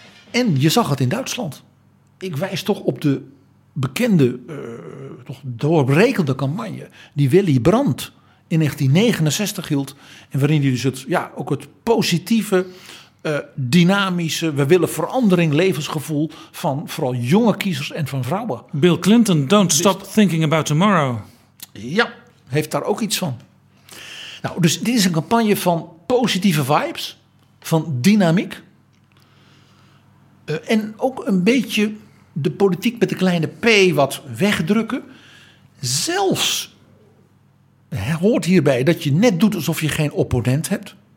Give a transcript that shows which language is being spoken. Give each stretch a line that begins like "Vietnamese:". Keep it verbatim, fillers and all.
Dutch: En je zag het in Duitsland. Ik wijs toch op de bekende, uh, toch doorbrekende campagne die Willy Brandt in negentien negenenzestig hield. En waarin hij dus het, ja, ook het positieve, uh, dynamische, we willen verandering, levensgevoel van vooral jonge kiezers en van vrouwen.
English: Bill Clinton, don't stop thinking about tomorrow.
Dutch: Ja, heeft daar ook iets van. Nou, dus dit is een campagne van positieve vibes, van dynamiek. Uh, en ook een beetje de politiek met de kleine p wat wegdrukken. Zelfs hoort hierbij dat je net doet alsof je geen opponent hebt.